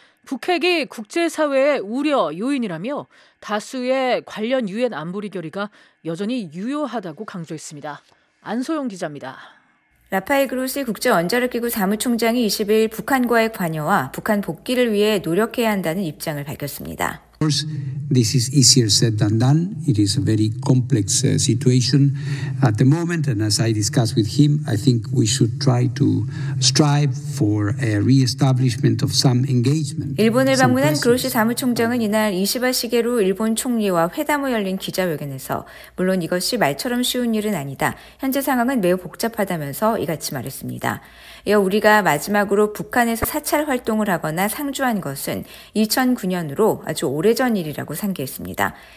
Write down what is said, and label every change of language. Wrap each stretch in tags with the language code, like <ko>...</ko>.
<ko>북핵이 국제사회의 우려 요인이라며 다수의 관련 유엔 안보리 결의가 여전히 유효하다고 강조했습니다. 안소영 기자입니다. 라파엘 그로시 국제원자력기구 사무총장이 20일 북한과의 관여와 북한 복귀를 위해 노력해야 한다는 입장을 밝혔습니다.</ko> <en>Of course, this is easier said than done. It is a very complex situation at the moment. And as I discussed with him, I think we should try to strive for a re-establishment of some engagement.</en> <ko>일본을 방문한 그로시 사무총장은 이날 이시바 시게루 일본 총리와 회담 후 열린 기자회견에서 물론 이것이 말처럼 쉬운 일은 아니다. 현재 상황은 매우 복잡하다면서 이같이 말했습니다. 이어 우리가 마지막으로 북한에서 사찰 활동을 하거나 상주한 것은 2009년으로 아주 오래전 일이라고 상기했습니다.</ko>